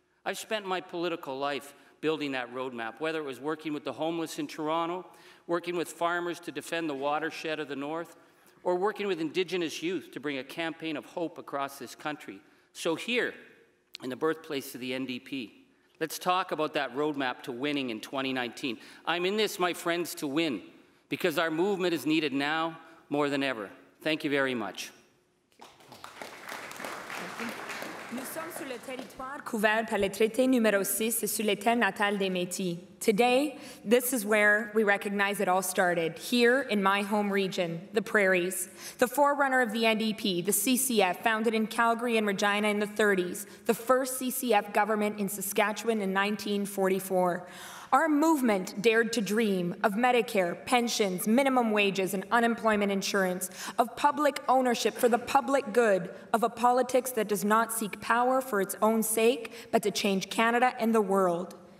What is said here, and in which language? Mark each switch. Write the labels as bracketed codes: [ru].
[en] I've spent my political life building that roadmap, whether it was working with the homeless in Toronto, working with farmers to defend the watershed of the North, or working with Indigenous youth to bring a campaign of hope across this country. So here, in the birthplace of the NDP, let's talk about that roadmap to winning in 2019. I'm in this, my friends, to win, because our movement is needed now more than ever. Thank you very much. [fr] Nous sommes sur le territoire couvert par le traité numéro 6 et sur les terres natales des Métis. [en] Today, this is where we recognize it all started, here in my home region, the Prairies. The forerunner of the NDP, the CCF, founded in Calgary and Regina in the 30s, the first CCF government in Saskatchewan in 1944. Our movement dared to dream of Medicare, pensions, minimum wages, and unemployment insurance, of public ownership for the public good, of a politics that does not seek power for its own sake, but to change Canada and the world.